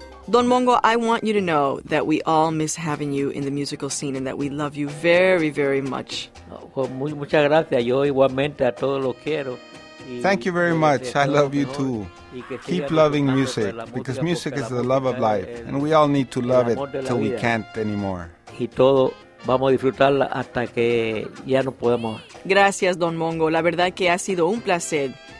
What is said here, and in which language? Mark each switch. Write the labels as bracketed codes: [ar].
[en] Don Bongo, I want you to know that we all miss having you in the musical scene and that we love you very, very much. [es] Muchas gracias. Yo igualmente a todos los quiero. [en] Thank you very much. I love you too. Keep loving music, because music is the love of life, and we all need to love it till we can't anymore. [es] Y todo vamos a disfrutarla hasta que ya no podemos. Gracias, Don Bongo. La verdad que ha sido un placer.